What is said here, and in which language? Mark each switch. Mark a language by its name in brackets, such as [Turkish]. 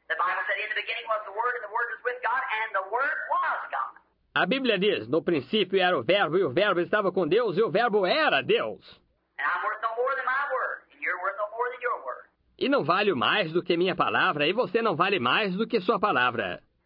[English] The Bible said in the beginning was the word, and the word was with God, and the word was God. [Portuguese] A Bíblia diz, no princípio era o verbo estava com Deus, e o verbo era Deus. [English] And I'm worth no more than my word, and you're worth no more than your word. [Portuguese] E não vale mais do que minha palavra, e você não vale mais do que sua palavra.